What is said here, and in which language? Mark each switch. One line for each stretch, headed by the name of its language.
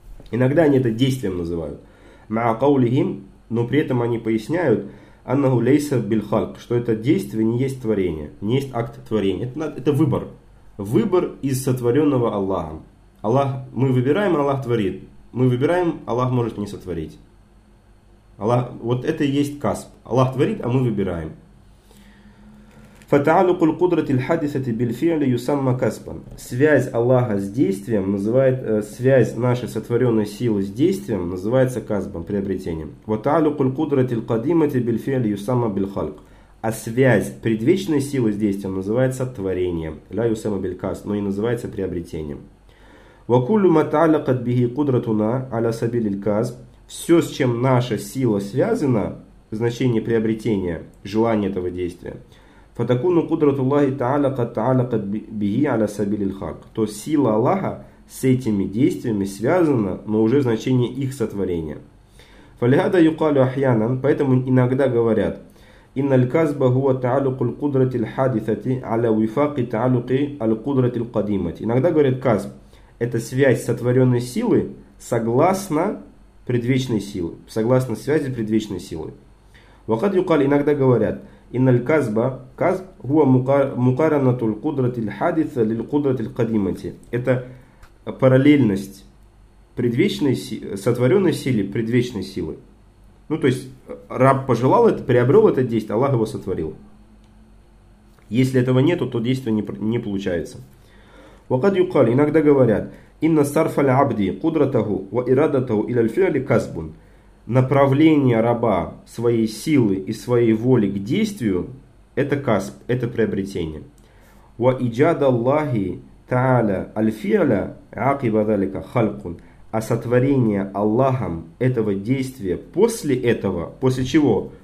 Russian: Иногда они это действием называют. Маакаулихим, но при этом они поясняют,
Arabic: аннаху лейса бильхалк,
Russian: что это действие не есть творение, не есть акт творения. Это выбор. Выбор из сотворенного Аллахом. Аллах, мы выбираем, Аллах творит. Мы выбираем, Аллах может не сотворить. Аллах, вот это и есть касп. Аллах творит, а мы выбираем.
Arabic: فتعلق القدرة الحادثة بالفعل يسمى كسبا.
Russian: Связь Аллаха с действием называет, связь нашей сотворенной силы с действием называется касбом, приобретением.
Arabic: وتعلق القدرة القديمة بالفعل يسمى بالخلق.
Russian: А связь предвечной силы с действием называется творением.
Arabic: لا يسمى بالكسب,
Russian: но и называется приобретением.
Arabic: وكل ما تعلقت به قدرتنا على سبيل الكسب.
Russian: Все, с чем наша сила связана, значение приобретения, желание этого действия.
Arabic: فَتَكُونُ قُدْرَةُ اللَّهِ تَعَلَقَتْ بِهِ عَلَى سَبِيلِ الْخَلْقِ.
Russian: То есть сила Аллаха с этими действиями связана, но уже в значении их сотворения.
Arabic: فَلِهَذَا يُقَالُ أَحْيَانًا.
Russian: Поэтому иногда говорят,
Arabic: إِنَّ الْكَسْبَ هُوَ تَعَلُقُ الْقُدْرَةِ الْحَادِثَةِ عَلَى وِفَاقِ تَعَلُقِ الْقُدْرَةِ الْقَدِيمَةِ.
Russian: Иногда говорят, касб – это связь сотворенной силы согласно предвечной силе, согласно связи предвечной силы.
Arabic: وَقَدْ يُقَالُ.
Russian: Иногда говорят,
Arabic: إِنَّ الْكَزْبَ كَزْبْ هُوَ مُقَارَنَةُ الْقُدْرَةِ الْحَادِثَ لِلْقُدْرَةِ الْقَدِيمَةِ.
Russian: Это параллельность предвечной сотворенной силе предвечной силы. Ну, то есть, раб пожелал это, приобрел это действие, Аллах его сотворил. Если этого нету, то действие не получается.
Arabic: وَقَدْ يُقَالُ.
Russian: Иногда говорят,
Arabic: إِنَّ صَرْفَ الْعَبْدِ قُدْرَتَهُ وَإِرَادَتَهُ إِلَى الْفِعْلِ كَزْبٌ.
Russian: направление раба своей силы и своей воли к действию – это касб, это приобретение.
Arabic: «Ва иджада Аллахи тааля альфиаля акиба далика халькун».
Russian: А сотворение Аллахом этого действия после этого, после чего?